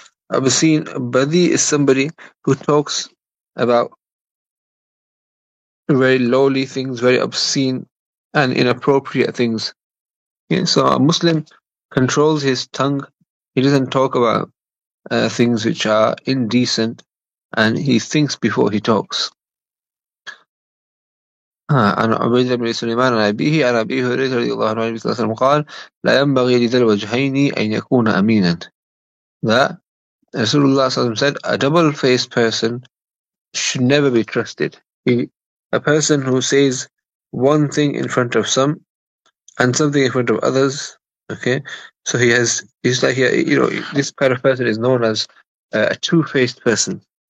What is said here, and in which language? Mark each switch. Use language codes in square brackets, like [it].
[en] Obscene, badi is somebody who talks about very lowly things, very obscene and inappropriate things. Yeah, so a Muslim controls his tongue. He doesn't talk about things which are indecent, and he thinks before he talks. [ar] عن عبيد بن سليمان عن أبيه عن أبي هريرة رضي الله عنه صلى الله عليه وسلم قال لا ينبغي لذا الوجهين أن يكون أمينا. [en] Rasulullah said, a double-faced person should never be trusted. A person who says one thing in front of some and something in front of others, okay? So he has, he's like, you know, this kind of person is known as a two-faced person.